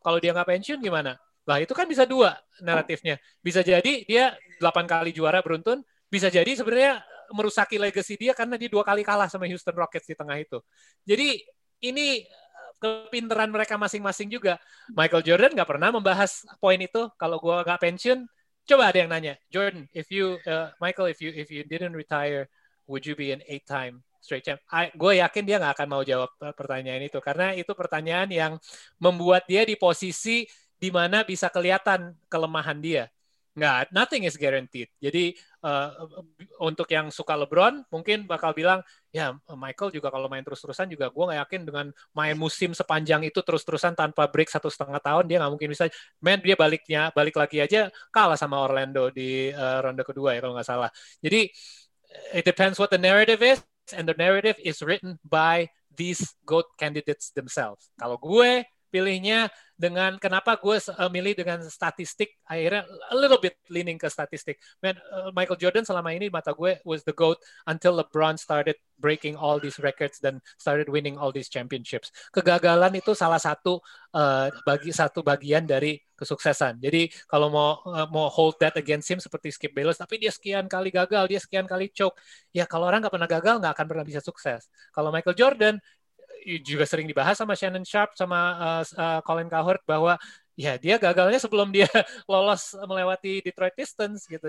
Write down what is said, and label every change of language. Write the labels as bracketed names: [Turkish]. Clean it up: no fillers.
[Indonesian] Kalau dia nggak pensiun gimana? Lah itu kan bisa dua naratifnya. Bisa jadi dia 8 kali juara beruntun, bisa jadi sebenarnya merusaki legacy dia karena dia 2 kali kalah sama Houston Rockets di tengah itu. Jadi ini kepinteran mereka masing-masing juga. Michael Jordan nggak pernah membahas poin itu kalau gue nggak pensiun. Coba ada yang nanya, [English] Jordan, if you didn't retire, would you be an 8-time straight champ? [Indonesian] Gue yakin dia nggak akan mau jawab pertanyaan itu karena itu pertanyaan yang membuat dia di posisi di mana bisa kelihatan kelemahan dia. Nggak, [English] nothing is guaranteed. [Indonesian] Jadi untuk yang suka LeBron mungkin bakal bilang, ya Michael juga kalau main terus-terusan juga gue nggak yakin dengan main musim sepanjang itu terus-terusan tanpa break 1,5 tahun dia nggak mungkin bisa. Man, dia balik lagi aja kalah sama Orlando di ronde kedua ya kalau nggak salah. Jadi [English] it depends what the narrative is, and the narrative is written by these GOAT candidates themselves. [Indonesian] Kalau gue pilihnya dengan, kenapa gue milih dengan statistik, akhirnya [English] a little bit leaning [Indonesian] ke statistik. [English] Man, Michael Jordan [Indonesian] selama ini mata gue [English] was the GOAT until LeBron started breaking all these records dan started winning all these championships. [Indonesian] Kegagalan itu salah satu bagian dari kesuksesan. Jadi kalau mau [English] hold that against him [Indonesian] seperti Skip Bayless, tapi dia sekian kali gagal, dia sekian kali choke. Ya kalau orang nggak pernah gagal, nggak akan pernah bisa sukses. Kalau Michael Jordan, juga sering dibahas sama Shannon Sharp, sama Colin Cowherd, bahwa ya dia gagalnya sebelum dia lolos melewati Detroit Pistons gitu.